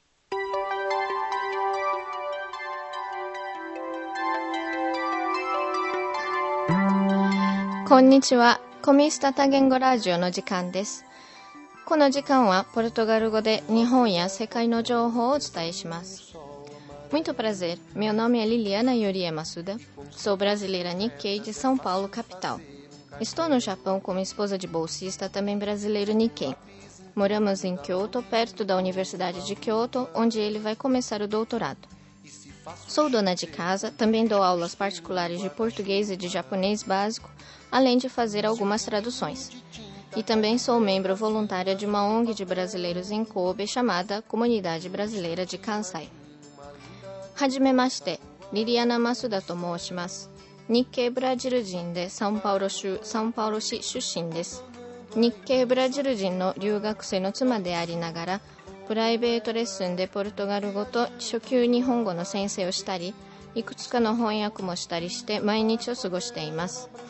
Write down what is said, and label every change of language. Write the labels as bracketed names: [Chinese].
[Japanese] こんにちは。コミスタ多言語ラジオの時間です。この時間はポルトガル語で日本や世界の情報をお伝えします。 [Portuguese] Muito prazer. Meu nome é Liliana Yurie Masuda. Sou brasileira Nikkei de São Paulo, capital. Estou no Japão como esposa de bolsista, também brasileiro Nikkei. Moramos em Kyoto, perto da Universidade de Kyoto, onde ele vai começar o doutorado. Sou dona de casa, também dou aulas particulares de português e de japonês básico, além de fazer algumas traduções. E também sou membro voluntária de uma ONG de brasileiros em Kobe chamada Comunidade Brasileira de Kansai. [Japanese] はじめまして、リリアナ・マスダと申します。日系ブラジル人でサンパウロ市出身です。日系ブラジル人の留学生の妻でありながら、プライベートレッスンでポルトガル語と初級日本語の先生をしたり、いくつかの翻訳もしたりして毎日を過ごしています。